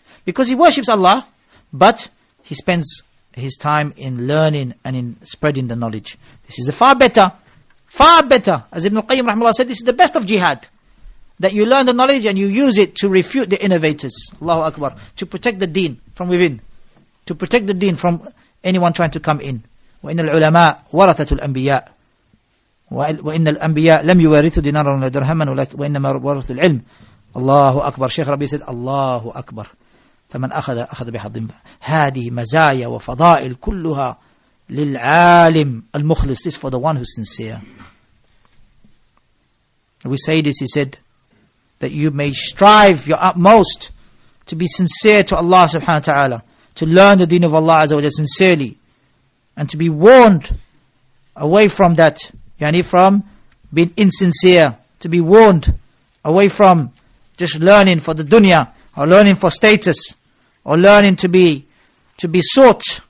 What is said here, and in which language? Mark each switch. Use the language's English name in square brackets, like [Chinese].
[English] Because he worships Allah, but he spends his time in learning and in spreading the knowledge. This is a far better. As Ibn al-Qayyim rahimahullah said, this is the best of jihad. That you learn the knowledge and you use it to refute the innovators. Allahu Akbar. To protect the deen from within. To protect the deen from anyone trying to come in. [Arabic] وَإِنَّ الْعُلَمَاءُ وَرَثَةُ الْأَنْبِيَاءُ. وإن الأنبياء لم يورثوا دينارا ولا درهما وإنما ورثوا العلم. الله أكبر. شيخ ربيع سيد الله أكبر. فمن أخذ أخذ بحظ. هذه مزايا وفضائل كلها للعالم المخلص. [English] This for the one who's sincere. We say this, he said, that you may strive your utmost to be sincere to Allah subhanahu wa ta'ala, to learn the deen of Allah azza wa jalla sincerely, and to be warned away from that, yani from being insincere, to be warned away from just learning for the dunya, or learning for status, or learning to be sought.